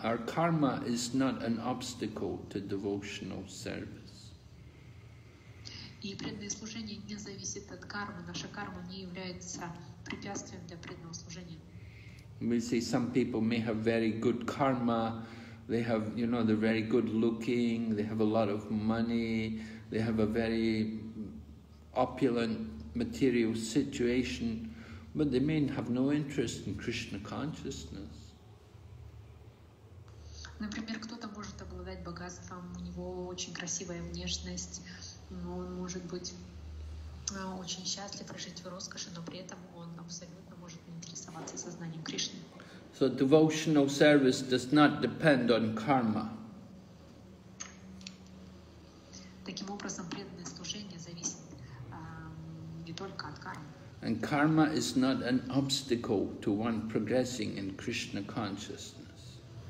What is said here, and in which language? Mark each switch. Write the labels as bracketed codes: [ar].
[en] Our karma is not an obstacle to devotional service. [ru] И преданное служение не зависит от кармы. Наша карма не является препятствием для преданного служения. [en] We see some people may have very good karma. They have, you know, they're very good looking. They have a lot of money. They have a very opulent material situation. But they may have no interest in Krishna consciousness. [ru] Например, кто-то может обладать богатством. У него очень красивая внешность. Но он может быть очень счастлив прожить в роскоши, но при этом он абсолютно может не интересоваться сознанием Кришны. [en] So devotional service does not depend on karma. [ru] Таким образом, преданное служение зависит не только от кармы. [en] And karma is not an obstacle to one progressing in Krishna consciousness.